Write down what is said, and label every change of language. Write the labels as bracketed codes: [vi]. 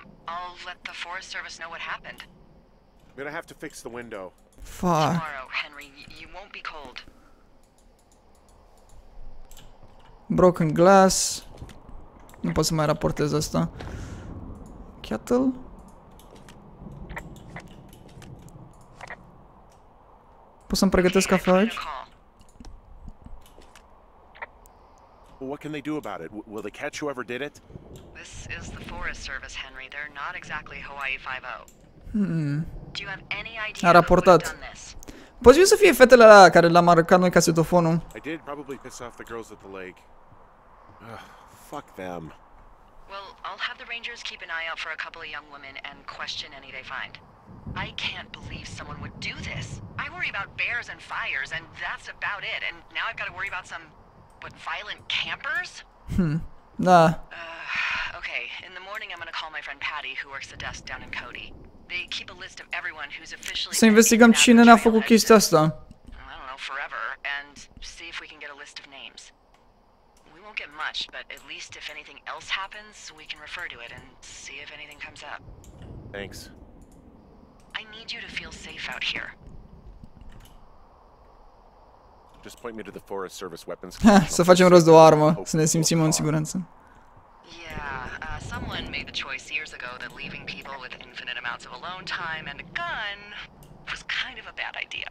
[en] I'll let the Forest Service know what happened. I'm gonna have to fix the window. Fuck. Tomorrow, Henry, you won't be cold. Broken glass. [ro] Nu pot să mai raportez asta. Kettle? Pot să-mi pregătesc cafea aici? [en] What can they do about it? Will they catch whoever did it? This is the Forest Service, Henry. They're not exactly Hawaii 50. Do you have any idea? [ro] A raportat. Poți să fie fetele alea care l-am aruncat noi casetofonul. [en] I did probably piss off the girls at the lake. Fuck them. Well, I'll have the rangers keep an eye out for a couple of young women and question any they find. I can't believe someone would do this. I worry about bears and fires and that's about it. And now I've got to worry about some but violent campers? [ro] Da. [en] Okay, in the morning I'm gonna call my friend Patty who works the desk down in Cody. They keep a list of everyone who's officially... [ro] Să investigăm cine ne-a făcut chestia asta. [en] I don't know, forever, and see if we can get a list of names. We won't get much, but at least if anything else happens, we can refer to it and see if anything comes up. Thanks. I need you to feel safe out here. Just point me to the Forest Service weapons. [ro] Să facem rost de o armă, să ne simțim în siguranță. [en] Yeah, someone made the choice years ago that leaving people with infinite amounts of alone time and a gun was kind of a bad idea.